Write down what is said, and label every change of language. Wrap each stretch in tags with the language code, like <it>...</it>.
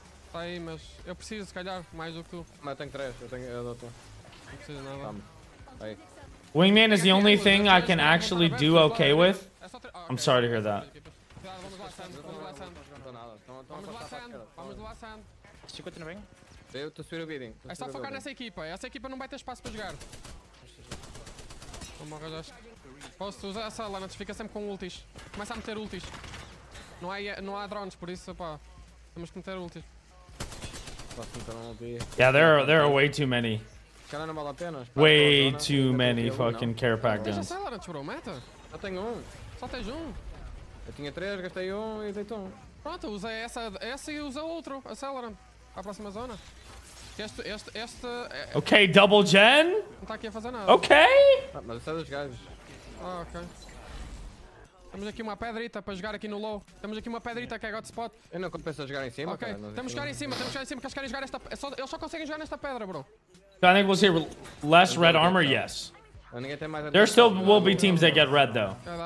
<pt>Tá aí, mas eu preciso, se calhar, mais do que tu. Mas eu tenho três, eu tenho. Eu não preciso nada. Tá aí.</pt> <en>Wingman is the only thing I can actually do okay with. I'm sorry to hear that.</en> <pt>Vamos lá, Sand. 50 no ring? É só focar nessa equipa, essa equipa não vai ter espaço para jogar. Vou morrer, já. Posso usar essa lá, mas fica sempre com ultis. Começa a meter ultis. Não há drones, por isso, pá. Temos que meter ultis.</pt> <en>Yeah, there are way too many. Way too many fucking care pack guns.</en> <pt>Deixa a Silent, bro, mata. Só tenho um. Só tens um. Eu tinha três, gastei um e deito um. Pronto, usa essa e usa outro. Acelera-me. A próxima zona. Este.</pt> <en>Ok, double gen?</en> <pt>Não está aqui a fazer nada. Ok! Mas isso é dos gajos. Ah, ok. Temos aqui uma pedrita para jogar aqui no low. Temos aqui uma pedrita que é God Spot. Eu não compensa jogar em cima, ok. Cara, temos que jogar em cima, que eles querem jogar esta. Eles só conseguem jogar nesta pedra, bro.</pt> <en>I think we'll see less red armor, yes. There still will be teams that get red, though.</en>